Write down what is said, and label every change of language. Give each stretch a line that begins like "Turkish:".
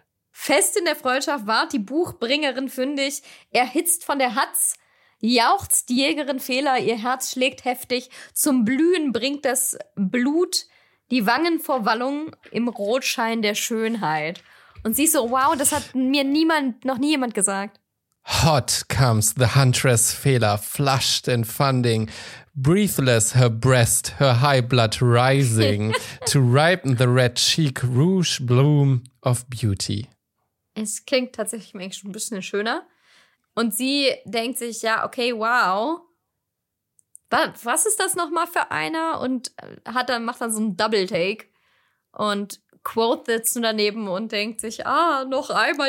German: Fest in der Freundschaft ward die Buchbringerin fündig, erhitzt von der Hatz, Jauchzt die Jägerin Fela, ihr Herz schlägt heftig. Zum Blühen bringt das Blut die Wangen vor Wallung im Rotschein der Schönheit. Und sie ist so, wow, das hat mir noch nie jemand gesagt.
English: Hot comes the Huntress Fela, flushed and funding. Breathless her breast, her high blood rising to ripen the red cheek, rouge bloom of beauty.
German: Es klingt tatsächlich eigentlich schon ein bisschen schöner. Und sie denkt sich, ja, okay, wow. Was ist das nochmal für einer? Und macht dann so einen Double Take und Quoth sitzt nur daneben und denkt sich, ah, noch einmal